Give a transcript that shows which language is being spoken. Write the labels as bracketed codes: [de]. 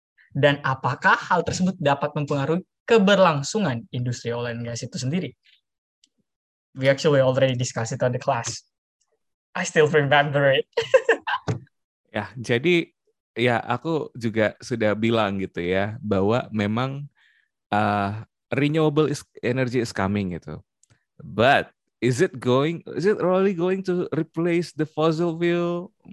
[id] Dan apakah hal tersebut dapat mempengaruhi keberlangsungan industri oil and gas itu sendiri? [en] We actually already discussed it on the class. I still remember it. [id] Ya, jadi ya, aku juga sudah bilang gitu ya, bahwa memang [en] renewable energy is coming [id] gitu. [en] But is it really going to replace the fossil fuel?